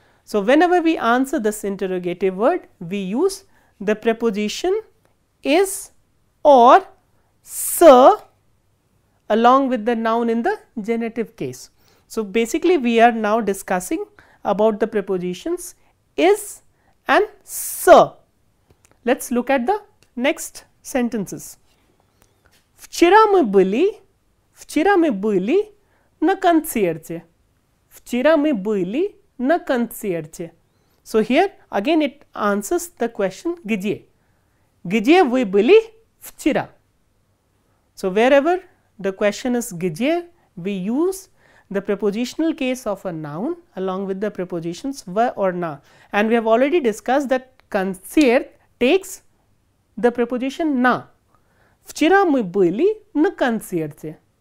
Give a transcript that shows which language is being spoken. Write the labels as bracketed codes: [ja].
[en] So, whenever we answer this interrogative word, we use the preposition is or с along with the noun in the genitive case. So, basically we are now discussing about the prepositions is and с. Let's look at the next sentences. [ru] Вчера мы были на концерте. Вчера мы были на концерте. [en] So, here again it answers the question где. [ru] Где вы были вчера? [en] So, wherever the question is где, we use the prepositional case of a noun along with the prepositions ве or на. And we have already discussed that концерт takes the preposition на. [ru] Вчера мы были на концерте.